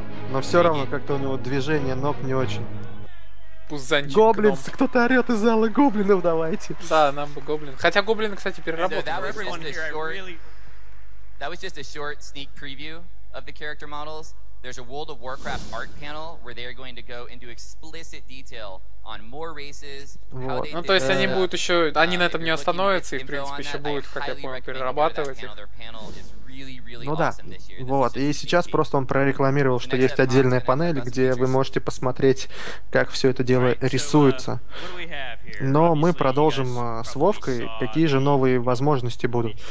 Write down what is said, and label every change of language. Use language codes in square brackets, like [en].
[ru] Но все равно как-то у него движение ног не очень. Пузанчик гоблинс, гном. Кто-то орёт из зала, гоблинов давайте. Да, нам бы гоблин. Хотя гоблины, кстати, переработали. [en] That was just a short sneak preview of the character models. There's a World of Warcraft art panel where they are going to go into explicit detail on more races. [ru] Вот. Ну то есть они будут еще, они на этом не остановятся и в принципе еще будут, как я понял, перерабатывать. Ну да, вот, и сейчас просто он прорекламировал, что есть отдельная панель, где вы можете посмотреть, как все это дело рисуется. Но мы продолжим с Вовкой, какие же новые возможности будут.